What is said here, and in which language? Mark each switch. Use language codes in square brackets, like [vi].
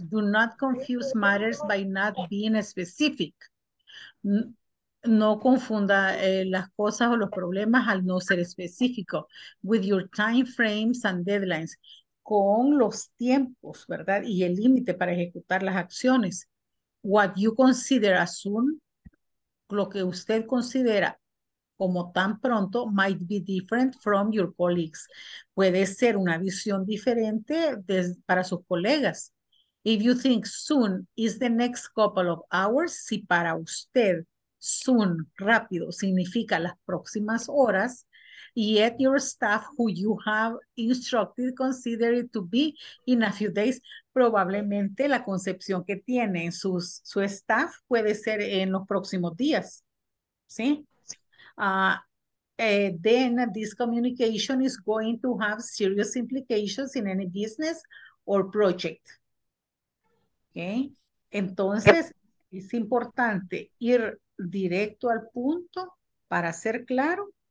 [en] Do not confuse matters by not being specific. [es] No confunda las cosas o los problemas al no ser específico. [en] With your time frames and deadlines. [es] Con los tiempos, ¿verdad? Y el límite para ejecutar las acciones. [en] What you consider as soon, [es] lo que usted considera como tan pronto, [en] might be different from your colleagues. [es] Puede ser una visión diferente para sus colegas. [en] If you think soon is the next couple of hours, [es] si para usted soon, rápido, significa las próximas horas, [en] yet your staff who you have instructed consider it to be in a few days, [es] probablemente la concepción que tiene su staff puede ser en los próximos días, ¿sí? [en] Then this communication is going to have serious implications in any business or project. Okay. [es] Entonces, es importante ir directo al punto para ser claro.